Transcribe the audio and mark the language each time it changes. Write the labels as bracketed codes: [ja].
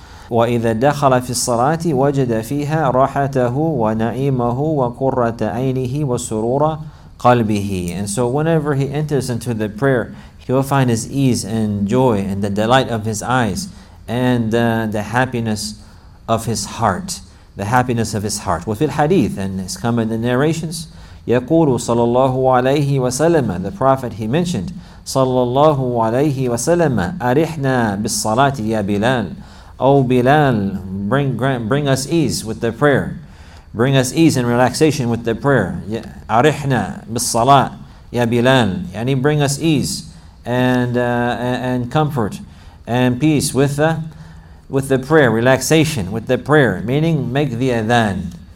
[ar] وَإِذَا دَخَلَ فِي الصَّلَاةِ وَجَدَ فِيهَا رَاحَتَهُ وَنَعِيمَهُ وَقُرَّةَ عَيْنِهِ وَسُرُورَ قَلْبِهِ. [en] And so whenever he enters into the prayer, he will find his ease and joy and the delight of his eyes and the happiness of his heart. The happiness of his heart. [ar] وفي الحديث, [en] and it's come in the narrations, [ar] يَقُولُ صَلَى اللَّهُ عَلَيْهِ وَسَلَّمَ, [en] the Prophet, he mentioned, [ar] صَلَى اللَّهُ عَلَيْهِ وَسَلَّمَ أَرِحْنَا بِالصَّلَاةِ يَا بِلَالِ. [en] O Bilal, bring us ease with the prayer. Bring us ease and relaxation with the prayer. [ar] أَرِحْنَا بِالصَّلَاةِ يَا بِلَالِ. [en] يعني bring us ease and comfort and peace with the prayer, relaxation with the prayer, meaning make the adhan.